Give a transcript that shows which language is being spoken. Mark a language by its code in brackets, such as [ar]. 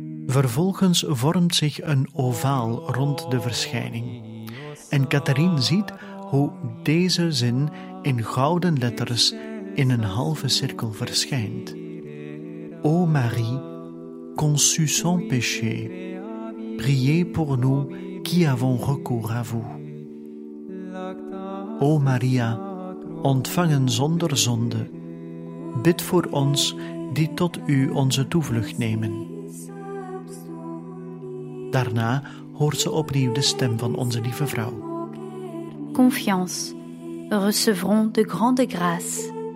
[nl] Vervolgens vormt zich een ovaal rond de verschijning. En Catherine ziet hoe deze zin in gouden letters in een halve cirkel verschijnt. [fr] O Marie, conçue sans péché, priez pour nous qui avons recours à vous. [nl] O Maria, ontvangen zonder zonde, bid voor ons die tot u onze toevlucht nemen. Daarna hoort ze opnieuw de stem van onze lieve vrouw. [fr] Confiance. Recevront de grande grâce.